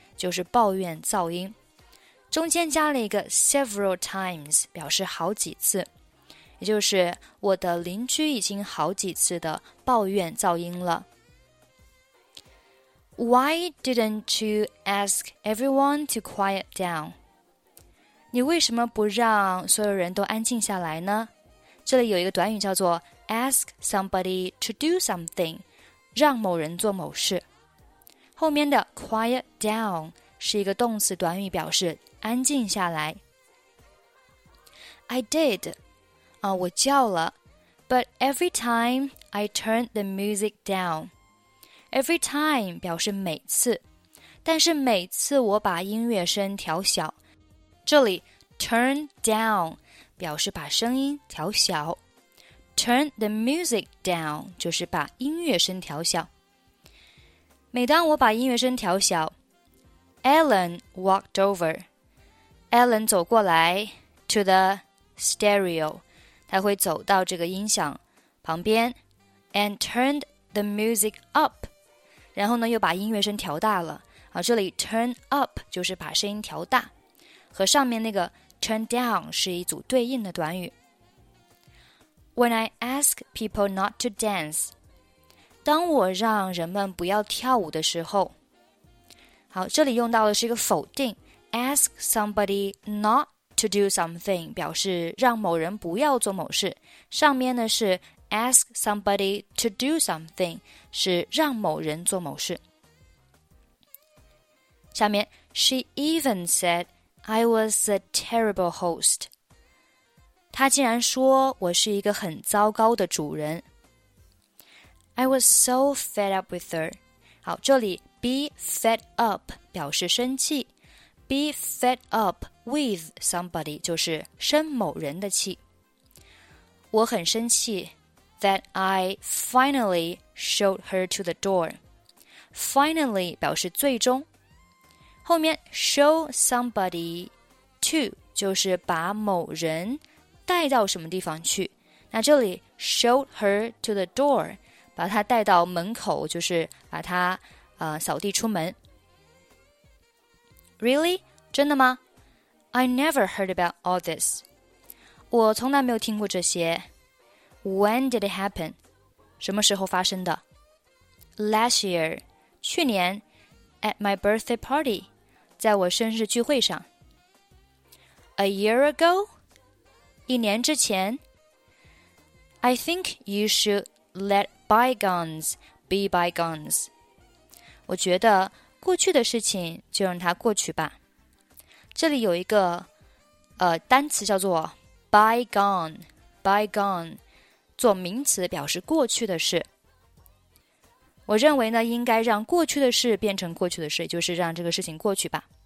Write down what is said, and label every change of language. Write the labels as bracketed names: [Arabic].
[Chinese] 就是抱怨噪音中间加了一个 several times 表示好几次也就是我的邻居已经好几次的抱怨噪音了 [English] Why didn't you ask everyone to quiet down? [Chinese] 你为什么不让所有人都安静下来呢？这里有一个短语叫做 ask somebody to do something, 让某人做某事。后面的 quiet down 是一个动词短语表示安静下来。 [English] I did,、 [Chinese] 我叫了 [English] ,but every time I turned the music down, [Chinese] Every time 表示每次，但是每次我把音乐声调小。这里 turn down 表示把声音调小。 Turn the music down 就是把音乐声调小。每当我把音乐声调小 [English] ，Ellen walked over. Ellen [Chinese] 走过来 [English] to the stereo. [Chinese] 她会走到这个音响旁边 [English] ，and turned the music up. [Chinese] 然后呢又把音乐声调大了。这里 turn up 就是把声音调大。和上面那个 turn down 是一组对应的短语。 [English] When I ask people not to dance, [Chinese] 当我让人们不要跳舞的时候，好，这里用到的是一个否定 ,ask somebody not to do something, 表示让某人不要做某事。上面呢是 ask somebody to do something, 是让某人做某事。下面 [English] ,she even said, I was a terrible host. [Chinese] 她竟然说我是一个很糟糕的主人。 [English] I was so fed up with her. [Chinese] 好，这里 [English] Be fed up [Chinese] 表示生气 [English] Be fed up with somebody [Chinese] 就是生某人的气我很生气 [English] That I finally showed her to the door [Chinese] Finally 表示最终后面 show somebody to 就是把某人带到什么地方去那这里 showed her to the door 把她带到门口就是把她扫地出门。 [English] Really? [Chinese] 真的吗? [English] I never heard about all this. [Chinese] 我从来没有听过这些。 [English] When did it happen? [Chinese] 什么时候发生的? [English] Last year, [Chinese] 去年, [English] at my birthday party, [Chinese] 在我生日聚会上。 [English] A year ago? [Chinese] 一年之前? [English] I think you should let bygones be bygones. [Chinese] 我觉得过去的事情就让它过去吧。这里有一个单词叫做 bygone, bygone, 做名词表示过去的事。我认为呢应该让过去的事变成过去的事就是让这个事情过去吧。